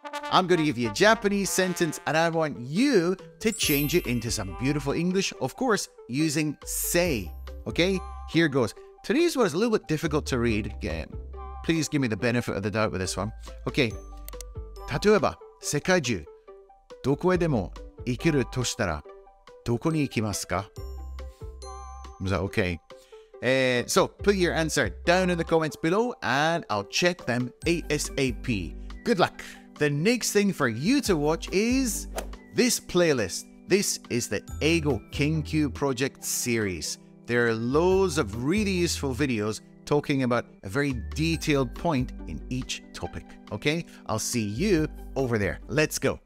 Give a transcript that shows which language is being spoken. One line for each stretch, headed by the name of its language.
English: I'm going to give you a Japanese sentence and I want you to change it into some beautiful English, of course, using say. Okay, here goes. Today's one is a little bit difficult to read. Again, please give me the benefit of the doubt with this one. Okay.
Japanese: 例えば, 世界中, どこへでも行けるとしたら, どこに行きますか?
English: Is that okay? So, put your answer down in the comments below and I'll check them ASAP. Good luck. The next thing for you to watch is this playlist. This is the Ego King Q Project series. There are loads of really useful videos talking about a very detailed point in each topic. Okay, I'll see you over there. Let's go.